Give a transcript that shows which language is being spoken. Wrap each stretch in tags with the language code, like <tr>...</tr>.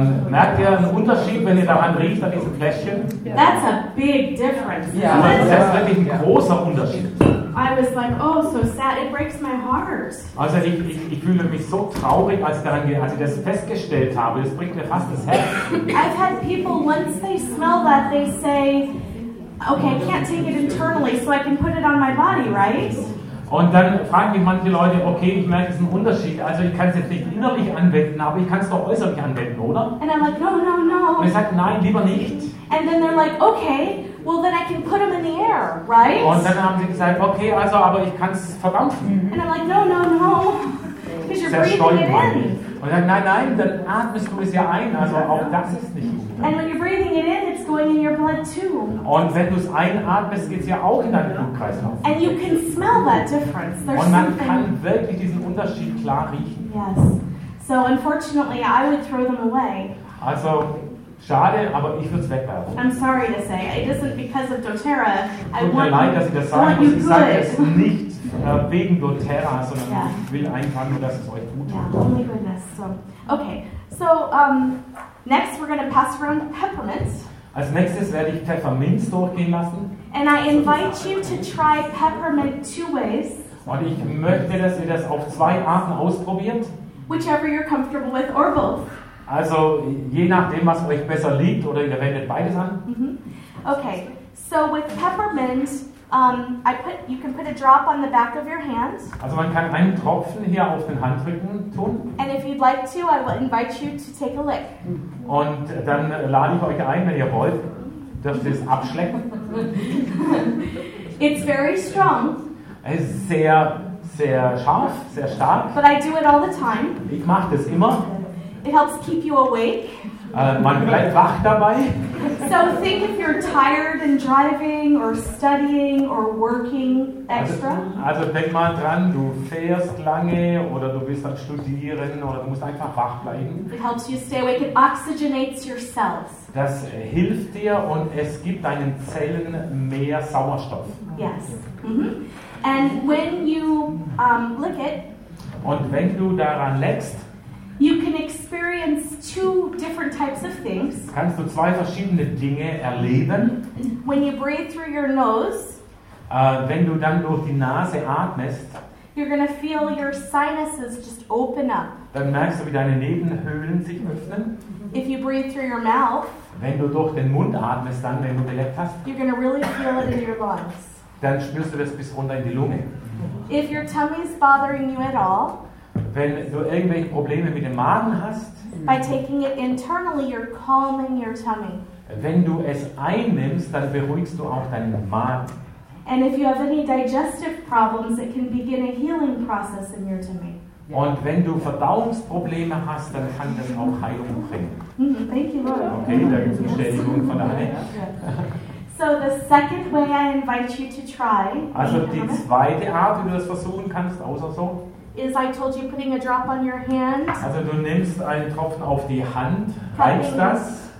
<de>Merkt ihr einen Unterschied, wenn ihr daran riecht, an diesem Fläschchen?</de> <en>That's a big difference.</en> <de>Yeah. Das ist wirklich ein großer Unterschied.</de> <en>I was like, oh, so sad. It breaks my heart.</en> <de>Also ich fühle mich so traurig, als ich das festgestellt habe. Das bringt mir fast das Herz.</de> <en>I've had people, once they smell that, they say, okay, I can't take it internally, so I can put it on my body, right?</en> <de>Und dann fragen mich manche Leute, okay, ich merke, es ist ein Unterschied. Also ich kann es jetzt nicht innerlich anwenden, aber ich kann es doch äußerlich anwenden, oder?</de> <en>And I'm like, no.</en> <de>Und ich sage, nein, lieber nicht.</de> <en>And then they're like, okay, well then I can put them in the air, right?</en> <de>Und dann haben sie gesagt, okay, also, aber ich kann es verdampfen.</de> <en>And I'm like, no. Because you're</en> <de>sehr</de> <en>breathing it in.</en> <de>Und dann, nein, dann atmest du es ja ein, also auch das ist nicht gut.</de> <en>And when you're breathing it in, it's going in your blood too.</en> <de>Und wenn du es einatmest, geht es ja auch in deinen Blutkreislauf.</de> <en>And you can smell that difference. There's</en> <de>und man</de> <en>something...</en> <de>kann wirklich diesen Unterschied klar riechen.</de> <en>Yes. So unfortunately, I would throw them away.</en> <de>Also, schade, aber ich würde es wegwerfen.</de> <en>I'm sorry to say, it isn't because of doTERRA.</en> <de>Tut mir leid, dass ich das sage, aber ich sage es nicht. Wegen doTERRA, sondern yeah. Ich will einfach nur, dass es euch gut tut.</de> <en>Yeah, oh my goodness. So, okay, so next we're going to pass around peppermint.</en> <de>Als nächstes werde ich Pfefferminz durchgehen lassen.</de> <en>And I invite you to try peppermint two ways.</en> <de>Und ich möchte, dass ihr das auf zwei Arten ausprobiert.</de> <en>Whichever you're comfortable with or both.</en> <de>Also je nachdem, was euch besser liegt, oder ihr wendet beides an.</de> <en>Mm-hmm. Okay, so with peppermint, You can put a drop on the back of your hand.</en> <de>Also man kann einen Tropfen hier auf den Handrücken tun.</de> <en>And if you'd like to, I will invite you to take a lick.</en> <de>Und dann lade ich euch ein, wenn ihr wollt, dürft ihr es abschlecken.</de> <en>It's very strong.</en> <de>Es ist sehr, sehr scharf, sehr stark.</de> <en>But I do it all the time.</en> <de>Ich mache das immer.</de> <en>It helps keep you awake.</en> <de>Man bleibt wach dabei.</de> <en>So think if you're tired and driving or studying or working extra.</en> <de>Also denk mal dran, du fährst lange oder du bist am Studieren oder du musst einfach wach bleiben.</de> <en>It helps you stay awake. It oxygenates your cells.</en> <de>Das hilft dir und es gibt deinen Zellen mehr Sauerstoff.</de> <en>Yes. Mm-hmm. And when you lick it.</en> <de>Und wenn du daran leckst.</de> <en>You can experience two different types of things.</en> <de>Kannst du zwei verschiedene Dinge erleben?</de> <en>When you breathe through your nose,</en> <de>wenn du dann durch die Nase atmest,</de> <en>you're gonna feel your sinuses just open up.</en> <de>Dann merkst du, wie deine Nebenhöhlen sich öffnen.</de> <en>If you breathe through your mouth,</en> <de>wenn du durch den Mund atmest, dann wenn du geleckt hast,</de> <en>you're gonna really feel it in your lungs.</en> <de>Dann spürst du das bis runter in die Lunge.</de> <en>If your tummy is bothering you at all.</en> <de>Wenn du irgendwelche Probleme mit dem Magen hast,</de> <en>by taking it internally, you're calming your tummy.</en> <de>Wenn du es einnimmst, dann beruhigst du auch deinen Magen.</de> <en>And if you have any digestive problems, it can begin a healing process in your tummy.</en> <de>Und wenn du Verdauungsprobleme hast, dann kann das auch Heilung bringen.</de> <en>Thank you, Lord.</en> <de>Okay, da gibt es Bestätigung von Anne.</de> <en>So the second way I invite you to try.</en> <de>Also die zweite Art, wie du das versuchen kannst, außer so.</de> <en>Is I told you putting a drop on your hand.</en> <de>Also du nimmst einen Tropfen auf die Hand, reibst das.</de>